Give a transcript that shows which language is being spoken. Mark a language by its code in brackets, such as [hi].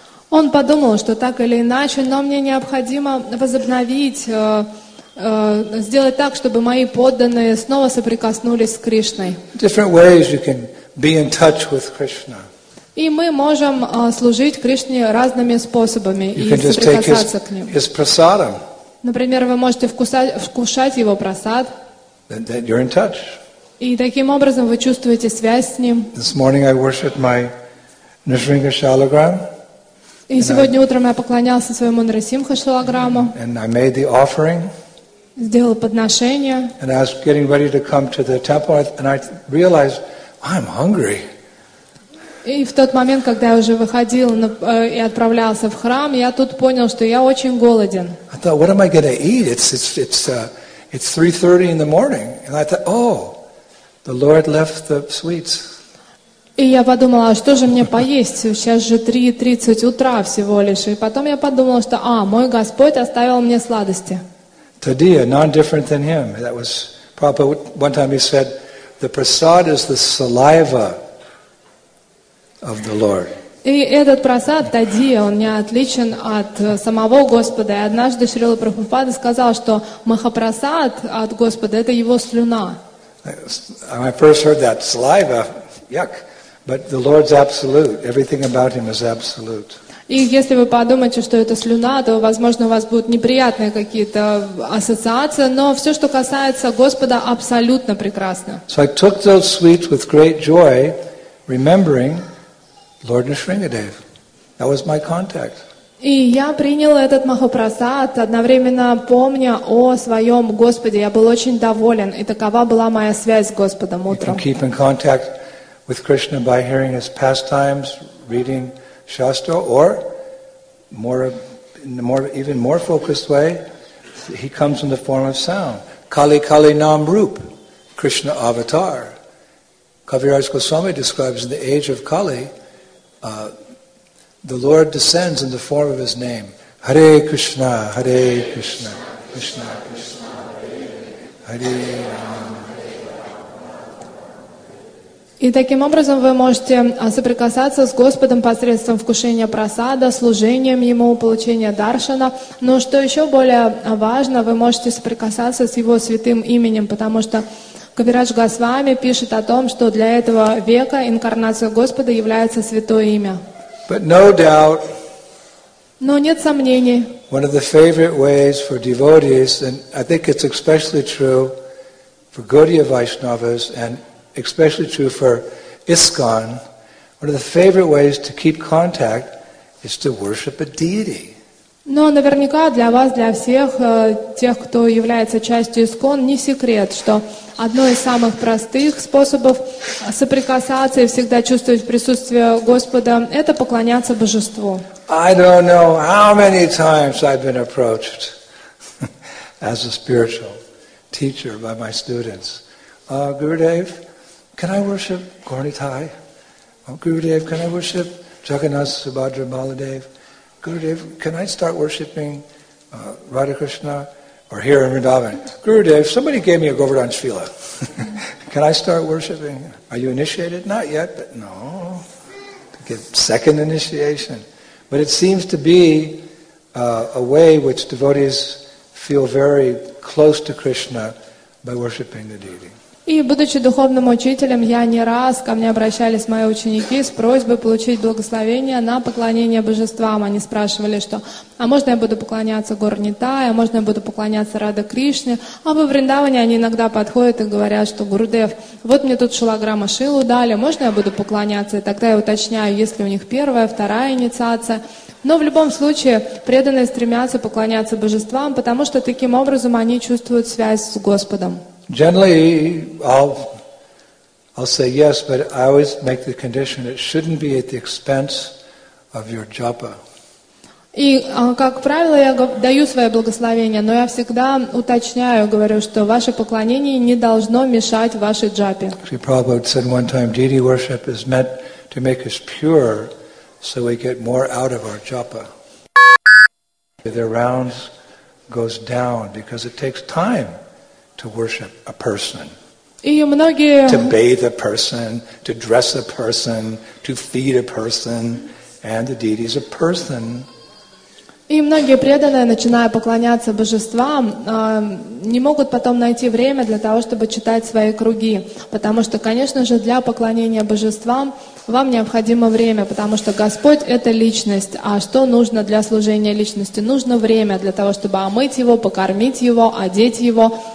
[ru] Он подумал, что так или иначе, но мне необходимо возобновить, сделать так, чтобы мои подданные снова соприкоснулись с Кришной. [en] Different ways you can be in touch with Krishna. [ru] И мы можем служить Кришне разными способами и соприкасаться к Ним. [en] His prasadam. [ru] Например, вы можете вкушать Его прасад. [en] That you're in touch. [ru] И таким образом вы чувствуете связь с Ним. [en] This morning I worshiped my Nrisinga Shalagram. [ru] И сегодня утром я поклонялся своему Нарасимха Шилаграму. [en] And I made the offering. [ru] Сделал подношение. [en] And I was getting ready to come to the temple, and I realized I'm hungry. [ru] И в тот момент, когда я уже выходил и отправлялся в храм, я тут понял, что я очень голоден. [en] I thought, what am I going to eat? It's 3:30 in the morning, and I thought, oh, the Lord left the sweets. [ru] И я подумала, а что же мне поесть? Сейчас же 3:30 утра всего лишь. И потом я подумала, что, а, мой Господь оставил мне сладости. [en] Tadiya, not different than him. That was Prabhupada. One time he said, the prasad is the saliva of the Lord. [ru] И этот прасад, Тадия, он не отличен от самого Господа. И однажды Шрила Прабхупада сказал, что махапрасад от Господа — это его слюна. [en] When I first heard that, saliva, yuck. But the Lord's absolute. Everything about him is absolute. [ru] И если вы подумаете, что это слюна, то, возможно, у вас будут неприятные какие-то ассоциации, но все, что касается Господа, абсолютно прекрасно. [en] So I took those sweets with great joy, remembering Lord Nrisimhadev. That was my contact. [ru] И я принял этот махапрасад, одновременно помня о своем Господе. Я был очень доволен, и такова была моя связь с Господом утром. [en] You can keep in contact with Krishna by hearing his pastimes, reading Shastra, or in a more focused way, he comes in the form of sound. [bn] Kali Kali Nam Rup, Krishna avatar. [en] Kaviraj Goswami describes in the age of Kali, the Lord descends in the form of his name. [sa] Hare Krishna, Hare Krishna, Krishna Krishna, Hare Rama. [ru] И таким образом вы можете соприкасаться с Господом посредством вкушения прасада, служением Ему, получения даршана. Но что еще более важно, вы можете соприкасаться с Его святым именем, потому что Кавирадж Госвами пишет о том, что для этого века инкарнация Господа является святое имя. [en] But no doubt, [ru] но нет сомнений. [en] One of the favorite ways for devotees, and I think it's especially true for Gaudiya Vaishnavas and especially true for ISKCON, one of the favorite ways to keep contact is to worship a deity. [ru] Но наверняка для вас, для всех тех, кто является частью ISKCON, не секрет, что одно из самых простых способов соприкасаться и всегда чувствовать присутствие Господа — это поклоняться Божеству. [en] I don't know how many times I've been approached as a spiritual teacher by my students. Gurudev, can I worship Gornitai? Gurudev, can I worship Jagannath Subhadra Baladev? Gurudev, can I start worshiping Radha Krishna? Or here in Vrindavan? Gurudev, somebody gave me a Govardhan Shvila. Can I start worshiping? Are you initiated? Not yet, but no. To get second initiation. But it seems to be a way which devotees feel very close to Krishna by worshiping the deity. [ru] И, будучи духовным учителем, я не раз ко мне обращались мои ученики с просьбой получить благословение на поклонение божествам. Они спрашивали, что «А можно я буду поклоняться Горнитай? А можно я буду поклоняться Радхе Кришне?» А во Вриндаване они иногда подходят и говорят, что «Гурудев, вот мне тут Шилаграма Шилу дали, можно я буду поклоняться?» И тогда я уточняю, есть ли у них первая, вторая инициация. Но в любом случае преданные стремятся поклоняться божествам, потому что таким образом они чувствуют связь с Господом. [en] Generally, I'll say yes, but I always make the condition it shouldn't be at the expense of your japa. [ru] И как правило, я даю свое благословение, но я всегда уточняю, говорю, что ваше поклонение не должно мешать вашей джапе. [en] Shri Prabhupada said one time, deity worship is meant to make us pure, so we get more out of our japa. Their rounds goes down because it takes time to worship a person, to bathe a person, to dress a person, to feed a person, and the deity is a person. [ru] И многие преданные, начиная поклоняться божествам, не могут потом найти время для того, чтобы читать свои круги. Потому что, конечно же, для поклонения божествам вам необходимо время, потому что Господь — это личность. А что нужно для служения личности? Нужно время для того, чтобы омыть его, покормить его, одеть его.